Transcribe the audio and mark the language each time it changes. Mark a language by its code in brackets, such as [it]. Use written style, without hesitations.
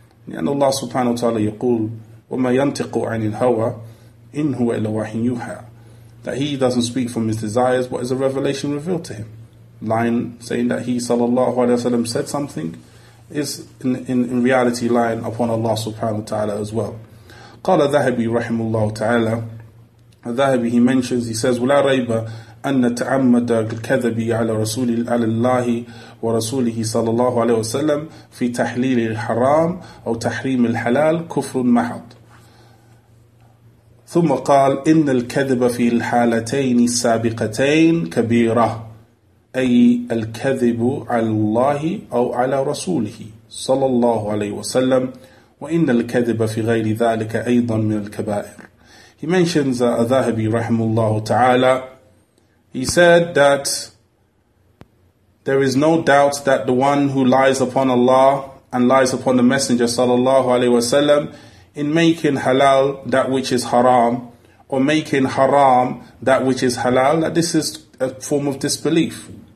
[ar] And Allah subhanahu wa ta'ala yaqul وَمَا يَنْتِقُ عَنِ الْهَوَى إِنْ هُوَ إِلَّا وَحْيٌ يُوحَى. [en] That he doesn't speak from his desires, but is a revelation revealed to him. Lying, saying that he sallallahu alayhi wasallam said something, is in reality lying upon Allah subhanahu wa ta'ala as well. [ar] قَالَ ذَهَبِي رَحِمُ اللَّهُ تَعَالَى. الذهبي [en] he mentions, he says [ar] ولا ريب أن تعمد الكذب على رسول الله ورسوله صلى الله عليه وسلم في تحليل الحرام أو تحريم الحلال كفر محض. ثم قال إن الكذب في الحالتين السابقتين كبيرة أي الكذب على الله أو على رسوله صلى الله عليه وسلم وإن الكذب في غير ذلك أيضا من الكبائر. [en] He mentions Al-Dhahabi rahimahullah ta'ala. He said that there is no doubt that the one who lies upon Allah and lies upon the Messenger sallallahu alayhi wa sallam in making halal that which is haram, or making haram that which is halal, that this is a form of disbelief.